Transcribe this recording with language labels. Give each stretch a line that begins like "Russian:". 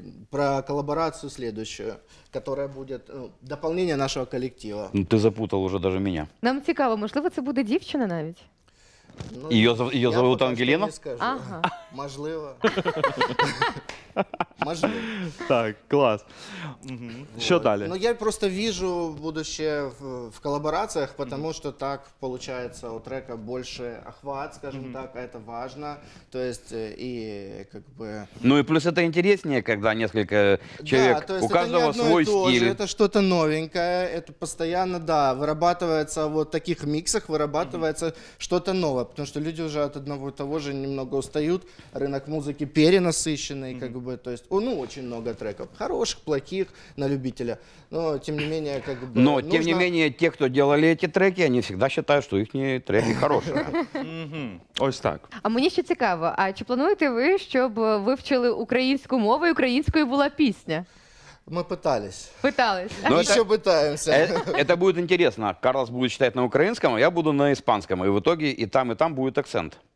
Russian: Про колаборацию следующую, которая будет дополнение нашего коллектива. Ну, ты запутал уже даже меня.
Ukrainian: Нам цікаво, можливо, це буде дівчина навіть?
Russian: Ее зовут Ангеліна?
Ukrainian: Ага. Можливо. Так, клас. Що далі?
Russian: Ну, я просто вижу будущее в колаборациях, потому что так получается у трека больше охват, скажем так, это важно. То есть и как бы... Ну и плюс это интереснее, когда несколько человек, у каждого свой стиль. Это что-то новенькое, это постоянно, да, вырабатывается вот в таких миксах, вырабатывается что-то новое, потому что люди уже от одного и того же немного устают, рынок музыки перенасыщенный, как бы, то есть, ну, очень много треков, хороших, плохих, на любителя, но, тем не менее, как бы, но, нужно... тем не менее, те, кто делали эти треки, они всегда считают, что их треки хорошие.
Ukrainian: Ось так. А мені ще цікаво, а чи плануєте ви, щоб вивчили українську мову і українською була пісня?
Russian: Ми пытались. Пытались. Ну, ще пытаемся. Это будет интересно. Карлос будет читать на украинском, а я буду на испанском, и в итоге и там будет акцент.